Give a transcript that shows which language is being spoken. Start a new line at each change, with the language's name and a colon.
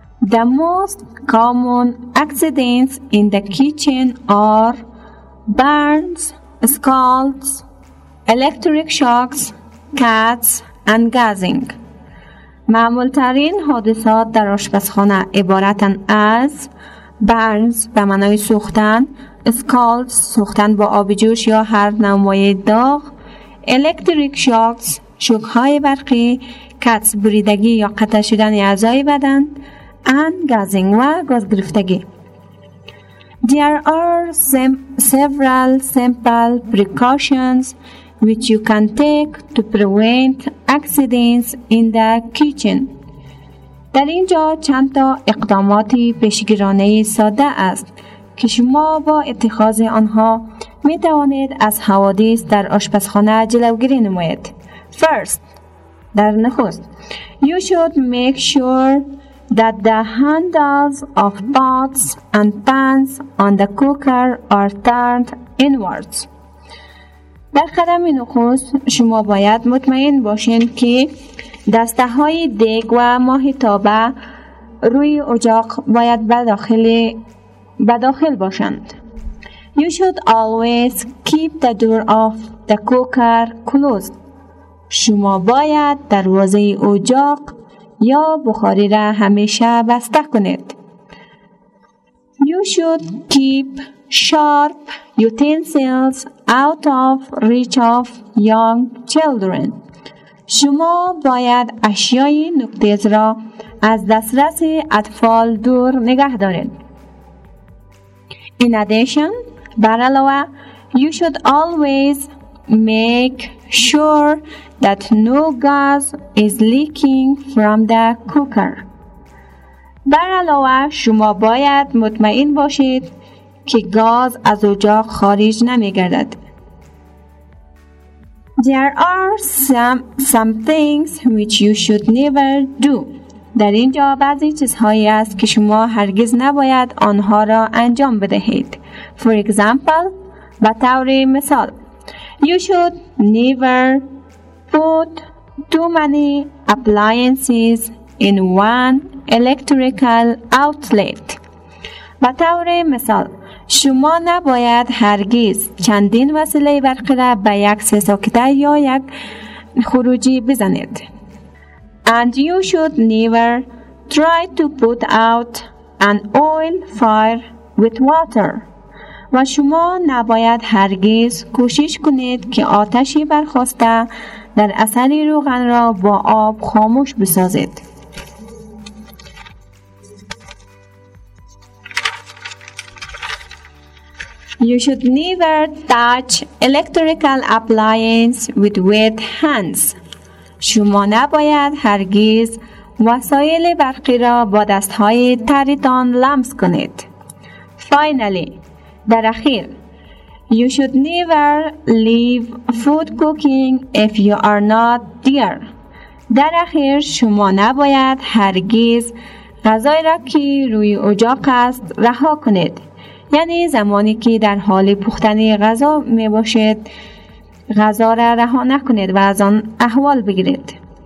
English: The most common accidents in the kitchen are burns, scalds, electric shocks, cuts, and gassing.
Persian: معمول‌ترین حادثات در آشپزخانه عبارتن از burns به معنای سوختن، scalds سوختن با آب جوش یا هر نوعی داغ،
English: electric shocks
Persian: شوک‌های برقی، cuts بریدگی یا قطع شدن اعضای بدن،
English: and gassing
Persian: و گاز گرفتگی.
English: There are several simple precautions which you can take to prevent accidents in the kitchen.
Persian: در اینجا چند تا اقدامات پیشگیرانه ساده است که شما با اتخاذ آنها می توانید از حوادث در آشپزخانه جلوگیری نمایید.
English: First,
Persian: در نخست،
English: you should make sure that the handles of pots and pans on the cooker are turned inwards.
Persian: در قدم نخست شما باید مطمئن باشین که دسته های دیگ و ماهیتابه روی اجاق باید بداخل باشند.
English: You should always keep the door of the cooker closed.
Persian: شما باید دروازه اجاق یا بخاری را همیشه بسته کنید.
English: You should keep sharp utensils out of reach of young children.
Persian: شما باید اشیای نوک‌تیز را از دسترس اطفال دور نگه دارین.
English: In addition, Baralawa, you should always make sure that no gas is leaking from the cooker.
Persian: Baralawa, شما باید مطمئن باشید که گاز از اجاق خارج نمی گردد.
English: There are some things which you should never do.
Persian: در اینجا بعضی چیزهایی است که شما هرگز نباید آنها را انجام بدهید.
English: For example,
Persian: به طور مثال,
English: you should never put too many appliances in one electrical outlet.
Persian: به طور مثال, شما نباید هرگز چندین وسیله برقی را به یک سه‌ساکته یا یک خروجی بزنید.
English: And you should never try to put out an oil fire with water.
Persian: و شما نباید هرگز کوشش کنید که آتشی برخواسته در اثر روغن را با آب خاموش بسازید.
English: You should never touch electrical appliances with wet hands.
Persian: شما نباید هرگز وسایل برقی را با دست‌های تریتان لمس کنید.
English: Finally,
Persian: در اخیر,
English: you should never leave food cooking if you are not there.
Persian: در اخیر شما نباید هرگز غذای را که روی اجاق است رها کنید. یعنی زمانی که در حال پختن غذا می باشد غذا را رها نکنید و از آن احوال بگیرید.